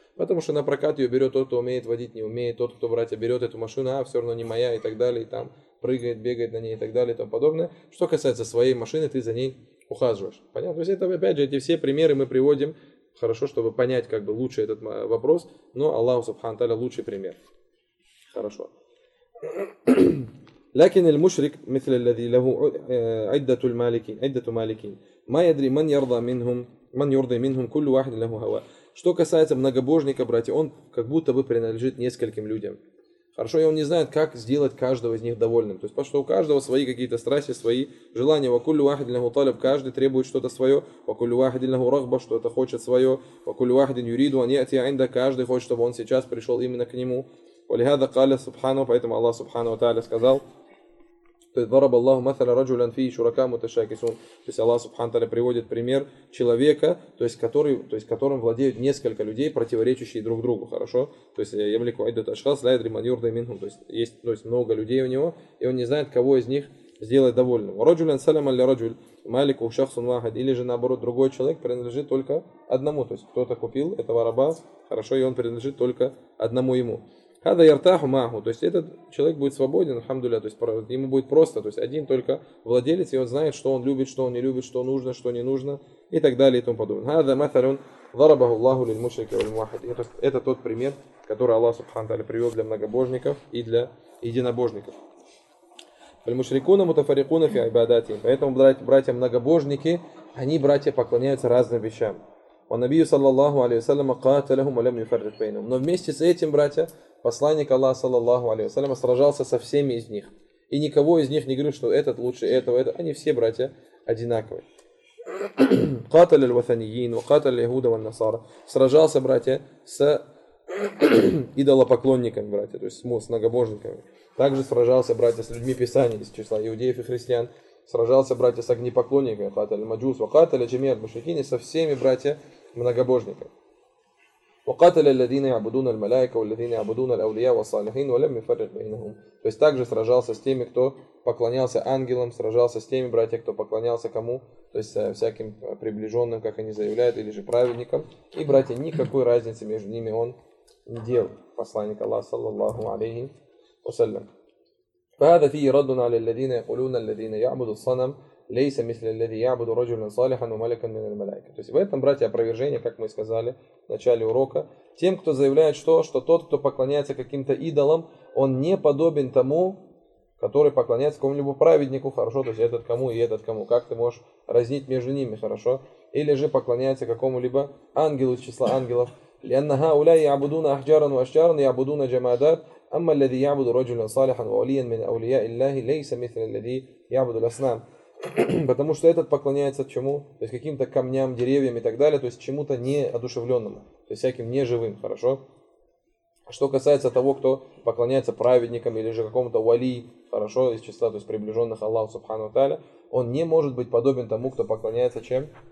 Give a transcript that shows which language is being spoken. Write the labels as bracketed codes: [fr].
[ru] Потому что на прокат ее берет тот, кто умеет водить, не умеет. Тот, кто, братья, берет эту машину, а все равно не моя и так далее. И там прыгает, бегает на ней и так далее и тому подобное. Что касается своей машины, ты за ней ухаживаешь. Понятно? То есть, это, опять же, эти все примеры мы приводим, хорошо, чтобы понять, как бы, лучше этот вопрос. Но Аллаху Субхану Тааля лучший пример. Хорошо. [ar] لكن المشرك مثل الذي له عدة المالكين عدة مالكين ما يدري من يرضى منهم من يرضى منهم كل واحد له هوى. [ru] Что касается многобожника, братья, он как будто бы принадлежит нескольким людям. Хорошо, и он не знает, как сделать каждого из них довольным. То есть, потому что у каждого свои какие-то страсти, свои желания. [ar] وكل واحد له طلب, [ru] каждый требует что-то свое. [ar] وكل واحد له رغبة, [ru] что-то хочет свое. [ar] وكل واحد يريد أن يأتي عنده, [ru] каждый хочет, чтобы он сейчас пришел именно к нему. [ar] ولهذا قال سبحانه, [ru] поэтому Аллах Субхана ва Тааля сказал: то есть [ar] ضرب الله مثلا رجلا فيه شركاء متشاكسون. [ru] То есть Аллах Субхана ва Тааля приводит пример человека, то есть который, то есть которым владеют несколько людей, противоречащие друг другу, хорошо? То есть [ar] يملكوا عدة أشخاص لا يدري من يرضى منهم, [ru] то есть много людей у него, и он не знает, кого из них сделать довольным. [ar] رجلا سلم لرجل مالك شخص واحد, [ru] или же наоборот, другой человек принадлежит только одному, то есть кто-то купил этого раба, хорошо, и он принадлежит только одному ему. [ar] هذا يرتاح معه, [ru] то есть этот человек будет свободен, альхамдулиллях, то есть ему будет просто, то есть один только владелец, и он знает, что он любит, что он не любит, что нужно, что не нужно и так далее и тому подобное. [ar] هذا مثل ضربه الله للمشرك والموحد. [ru] Это тот пример, который Аллах Субхана ва Тааля привел для многобожников и для единобожников. [ar] المشركون متفرقون في عباداتهم. [ru] Поэтому, братья многобожники, они, братья, поклоняются разным вещам. [ar] ونبي صلى الله عليه وسلم قاتلهم ولم يفرق بينهم. [ru] Но вместе с этим, братья, посланник Аллаха, саллаллаху алейхи ва саллям, сражался со всеми из них. И никого из них не говорил, что этот лучше этого, это. Они все, братья, одинаковые. [ar] قاتل الوثنيين وقاتل اليهود والنصارى. [ru] Сражался, братья, с идолопоклонниками, братья, то есть с многобожниками. Также сражался, братья, с людьми Писания, из числа иудеев и христиан. Сражался, братья, с огнепоклонниками. [ar] قاتل المجوس وقاتل جميع المشركين. [ru] Со всеми, братья, многобожниками. [ar] وقاتل الذين يعبدون الملائكة والذين يعبدون الأولياء والصالحين ولم يفرق بينهم. [ru] То есть также сражался с теми, кто поклонялся ангелам, сражался с теми братьями, кто поклонялся кому, то есть всяким приближенным, как они заявляют, или же праведникам. И, братья, никакой разницы между ними он не делал. Посланник Аллаха, саллаллаху алейхи вассалям. [ar] فهذا فيه رد على الذين يقولون الذين يعبدوا الصنم ليس مثل الذي يعبد رجلا صالحا وملكا من الملائكة. [ru] То есть в этом, братья, опровержение, как мы сказали в начале урока, тем, кто заявляет, что тот, кто поклоняется каким-то идолам, он не подобен тому, который поклоняется какому-либо праведнику, хорошо, то есть этот кому и этот кому, как ты можешь разнить между ними, хорошо, или же поклоняется какому-либо ангелу из числа ангелов. [ar] لأن هؤلاء يعبدون أحجارا وأشجارا يعبدون جمادات أما الذي يعبد رجلا صالحا ووليا من أولياء الله ليس مثل الذي يعبد الأصنام. [ru] Потому что этот поклоняется чему? То есть каким-то камням, деревьям и так далее, то есть чему-то неодушевленному, то есть всяким неживым, хорошо? Что касается того, кто поклоняется праведникам или же какому-то вали, хорошо, из числа, то есть приближенных Аллаху Субхану Тааля, он не может быть подобен тому, кто поклоняется чем?